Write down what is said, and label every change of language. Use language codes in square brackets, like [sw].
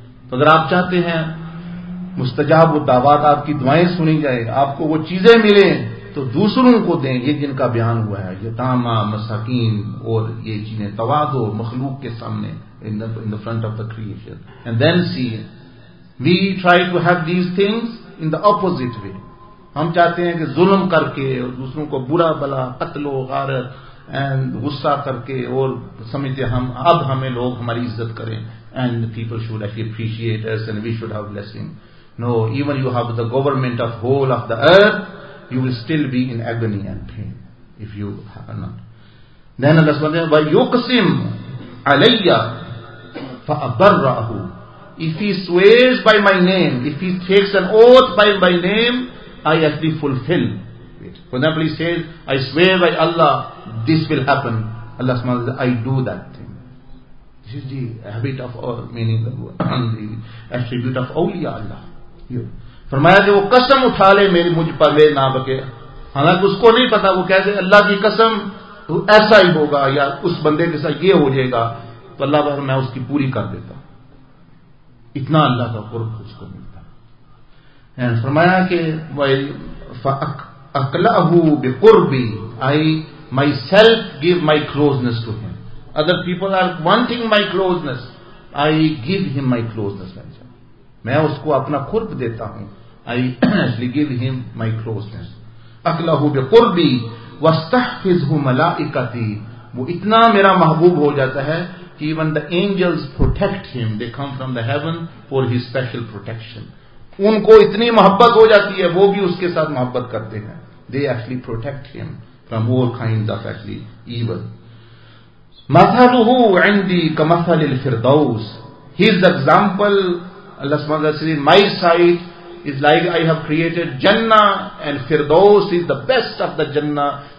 [ur] تو اگر آپ چاہتے ہیں مستجاب و دعوات, آپ کی دعائیں سنی جائے, آپ کو وہ چیزیں ملیں, تو دوسروں کو دیں. یہ جن کا بیان ہوا ہے, یتامہ, مساکین اور یہ چیزیں, تواضع مخلوق کے سامنے, [en] in the front of the creation, and then see it. We try to have these things in the opposite way. [ur] ہم چاہتے ہیں کہ ظلم کر کے اور دوسروں کو برا بلا, قتل و غارت and غصہ کر کے, اور سمجھتے ہم اب ہمیں لوگ ہماری عزت کریں, [en] and people should actually appreciate us and we should have blessing. No, even you have the government of whole of the earth, you will still be in agony and pain if you have not. Then Allah SWT, [ar] وَيُقْسِمْ عَلَيَّ فَأَبَرَّهُ, [en] if he swears by my name, if he takes an oath by my name, I actually fulfill it. For example, he says, I swear by Allah, this will happen. Allah SWT, I do that thing. This is the habit of, or meaning the attribute of awliya Allah. [ur] فرمایا کہ وہ قسم اٹھا لے میری مجھ پر, لے نہ بکے. حالانکہ اس کو نہیں پتا, وہ کہتے اللہ کی قسم تو ایسا ہی ہوگا یا اس بندے کے ساتھ یہ ہو جائے گا, تو اللہ بھر میں اس کی پوری کر دیتا. اتنا اللہ کا قرب اس کو ملتا. فرمایا کہ [ar] فَأَقْلَأَهُ بِقُرْبِ, [en] I myself give my closeness to him. Other people are wanting my closeness, I give him my closeness. [ur] میں اس کو اپنا قرب دیتا ہوں. [en] I actually give him my closeness. [ar] اَقْلَهُ بِقُرْبِ وَاسْتَحْفِزْهُ مَلَائِكَتِ, [ur] وہ اتنا میرا محبوب ہو جاتا ہے کہ [en] even the angels protect him. They come from the heaven for his special protection. [ur] ان کو اتنی محبت ہو جاتی ہے, وہ بھی اس کے ساتھ محبت کرتے ہیں. [en] They actually protect him from all kinds of actually evil. [ar] مَثَلُهُ عِنْدِي كَمَثَلِ الْفِرْدَوْسِ, [en] his example, Allah SWT says, my sight is like I have created Jannah, and Firdaus is the best of the Jannah.